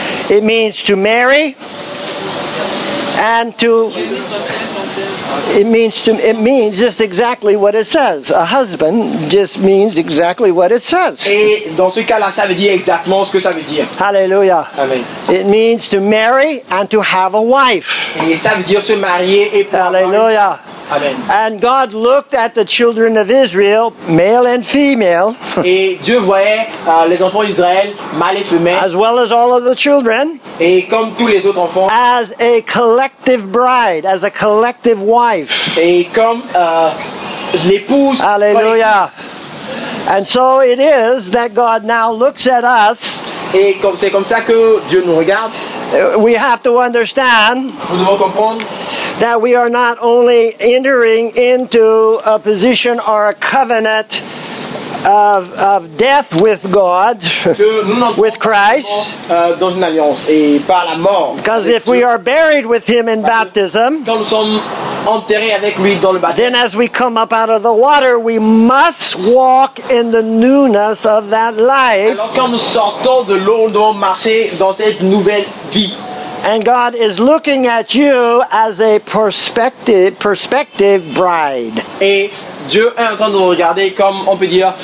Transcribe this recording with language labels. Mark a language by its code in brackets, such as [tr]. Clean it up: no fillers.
[en] It means to marry and to. It means just exactly what it says. A husband just means exactly what it says. [fr] Et dans ce cas-là, ça veut dire exactement ce que ça veut dire. Hallelujah. Amen. [en] It means to marry and to have a wife. [fr] Et ça veut dire se marier et pour Hallelujah. Amen. [en] And God looked at the children of Israel, male and female. [fr] Et Dieu voyait les enfants d'Israël, mâles et femelles. [en] As well as all of the children. [fr] Et comme tous les autres enfants. [en] As a collective bride, as a collective wife. [fr] Et comme l'épouse. Alléluia. [en] And so it is that God now looks at us. [fr] Et c'est comme ça que Dieu nous regarde. [en] We have to understand. [fr] Nous devons comprendre. [en] That we are not only entering into a position or a covenant of death with God, with Christ, [fr] dans une alliance et par la mort. [en] Because if we are buried with him in baptism, [fr] quand nous sommes enterrés avec lui dans le baptême, [en] then as we come up out of the water, we must walk in the newness of that life. [fr] Alors quand nous sortons de l'eau, nous devons marcher dans cette nouvelle vie. [en] And God is looking at you as a prospective bride. [fr] Et Dieu est en train de regarder comme on peut dire.